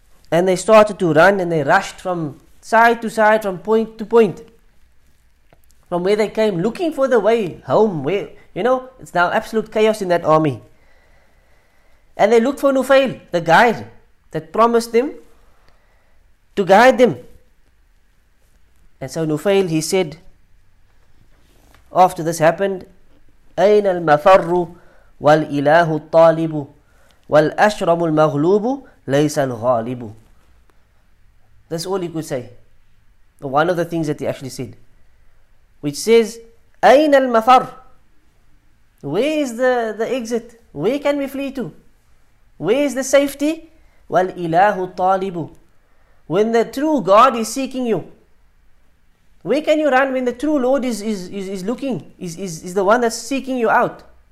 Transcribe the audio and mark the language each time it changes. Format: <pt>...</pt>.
<en>And they started to run, and they rushed from side to side, from point to point, from where they came, looking for the way home. Where, you know, it's now absolute chaos in that army. And they looked for Nufail, the guide that promised them to guide them. And so Nufail, he said, after this happened,</en> <ar>أين المفر والإله الطالب والأشرم المغلوب ليس الغالب.</ar> <en>That's all he could say. One of the things that he actually said, which says,</en> <ar>أين المفر?</ar> <en>Where is the exit? Where can we flee to? Where is the safety?</en> <ar>Wal ilahu talibu.</ar> <en>When the true God is seeking you, where can you run when the true Lord is looking, is the one that's seeking you out?</en>